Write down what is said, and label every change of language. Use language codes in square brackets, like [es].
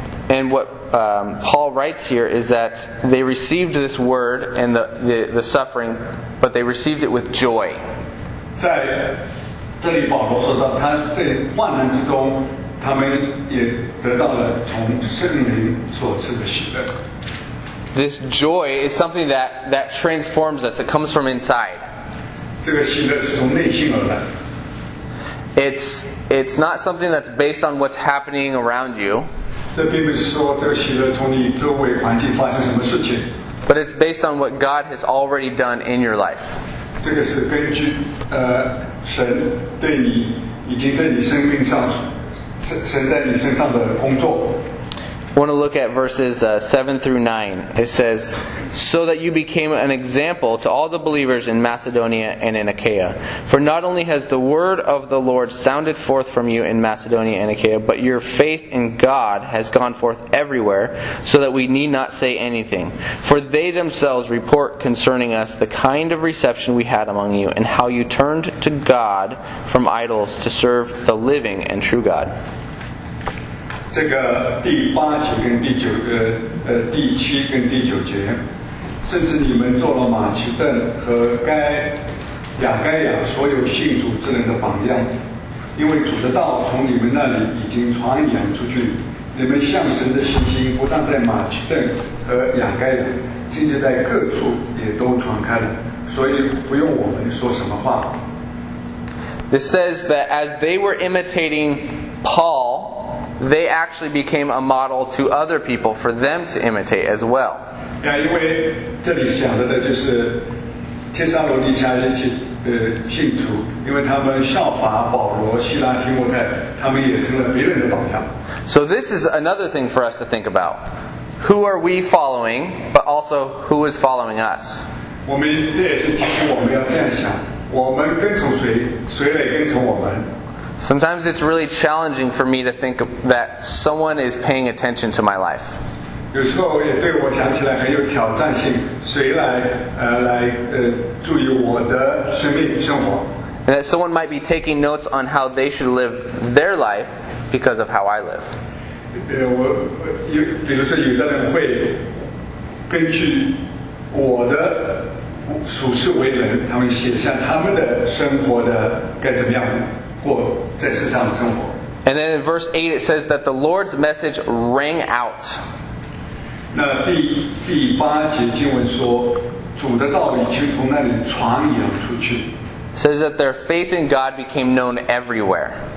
[en] And what Paul writes here is that they received this word and the suffering, but they received it with joy. [zh] 在这里保罗说到，他在患难之中，他们也得到了从圣灵所赐的喜乐。 [en] This joy is something that transforms us. It comes from inside. [zh] 这个喜乐是从内心而来。 [en] It's not something that's based on what's happening around you. [zh] 这并不是说这个喜乐从你周围环境发生什么事情。 [en] But it's based on what God has already done in your life. [zh] 这个是根据神对你已经在你生命上神在你身上的工作。 [en] I want to look at verses 7-9. It says, "So that you became an example to all the believers in Macedonia and in Achaia. For not only has the word of the Lord sounded forth from you in Macedonia and Achaia, but your faith in God has gone forth everywhere, so that we need not say anything. For they themselves report concerning us the kind of reception we had among you, and how you turned to God from idols to serve the living and true God." [zh] 这个第八节跟第九第七跟第九节，甚至你们做了马其顿和雅该亚所有信主之人的榜样，因为主的道从你们那里已经传扬出去，你们向神的信心不但在马其顿和雅该亚，甚至在各处也都传开了，所以不用我们说什么话。 [en] This says that as they were imitating Paul. They actually became a model to other people for them to imitate as well. [zh] Yeah, 因为这里讲的就是帖撒罗尼迦的信徒，因为他们效法保罗、希拉、提摩太，他们也成了别人的榜样。 [en] So this is another thing for us to think about: who are we following, but also who is following us? [zh] 我们这也是提醒我们要这样想：我们跟从谁，谁来跟从我们？ [en] Sometimes it's really challenging for me to think that someone is paying attention to my life. And that someone might be taking notes on how they should live their life because of how I live. And then in verse 8 it says that the Lord's message rang out. [zh] 那第八节经文说，主的道已经从那里传扬出去。 [en] Says that their faith in God became known everywhere.